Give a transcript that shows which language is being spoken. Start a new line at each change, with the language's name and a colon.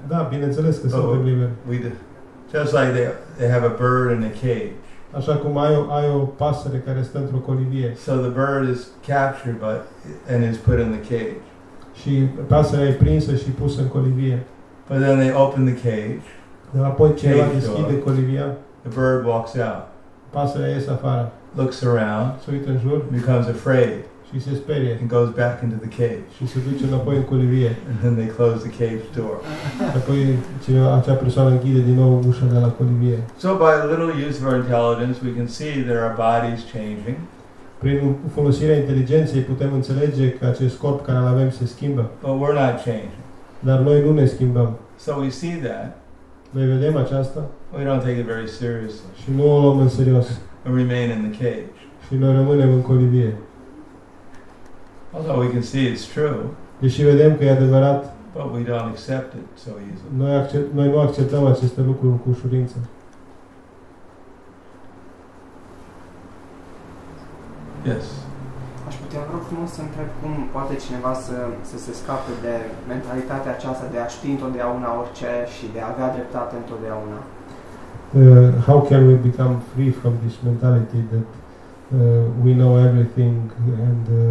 Romanian: Da, bineînțeles că suntem liberi.
English: Just like they have a bird in a cage.
Romanian: Așa cum ai o pasăre care stă într-o colibie.
English: So the bird is captured but and is put in the cage.
Romanian: Și pasărea e prinsă și pusă în colibie.
English: But then they open the cage.
Romanian: Dar apoi cineva deschide colibia.
English: The bird walks out.
Romanian: Pasărea iese afară.
English: Looks around.
Romanian: Se uită în jur.
English: Becomes afraid.
Romanian: Și se sperie.
English: And goes back into the cage.
Romanian: Și se duce înapoi în colivie.
English: And then they close the cage door.
Romanian: Apoi acea persoană închide din nou ușa de la colivie.
English: So by a little use of our intelligence, we can see that our body is changing.
Romanian: Prin folosirea inteligenței putem înțelege că acest corp care îl avem se schimbă.
English: But we're not changing.
Romanian: Dar noi nu ne schimbăm.
English: So we see that.
Romanian: Noi vedem aceasta.
English: We don't take it very seriously.
Romanian: Și nu o luăm în serios.
English: And remain in the cage.
Romanian: Și noi rămânem în colivie.
English: Although we can see it's true,
Romanian: deși vedem că e adevărat,
English: but we don't accept it so easily.
Romanian: Noi nu acceptăm aceste lucruri cu ușurință.
English: Yes.
Romanian: Aș putea vreau frumos să întreb cum poate cineva să se scape de mentalitatea aceasta de a ști întotdeauna orice și de a avea dreptate întotdeauna.
English: How can we become free from this mentality that we know everything and